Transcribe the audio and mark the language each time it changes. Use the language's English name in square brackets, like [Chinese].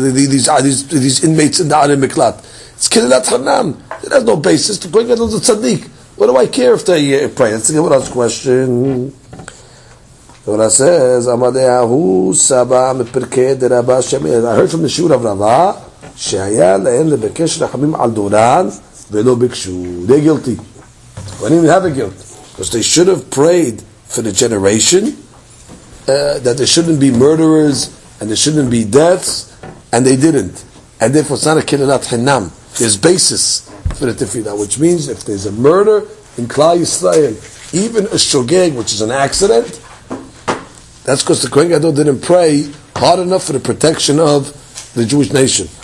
[English] These inmates in the Arim Miklat. It's kililat hanam. It has no basis. The Kohen Gadol is a tzaddik. What do I care if they pray? That's the Gemara's question. Gemara says [Aramaic] Amadei Ahu Saba Meperkei Deraba Shemi. [English] I heard from the Shiur of Rava. [Hebrew] שהיה להם לבקש רחמים על דורן ולא ביקשו. [English] They're guilty. When they have a guilt. Because they should have prayed for the generation that there shouldn't be murderers and there shouldn't be deaths and they didn't. And therefore it's not a kililat hanam. There's basis for the tefillah, which means if there's a murder in Klal Yisrael, even a shogeg, which is an accident, that's because the Kohen Gadol didn't pray hard enough for the protection of the Jewish nation.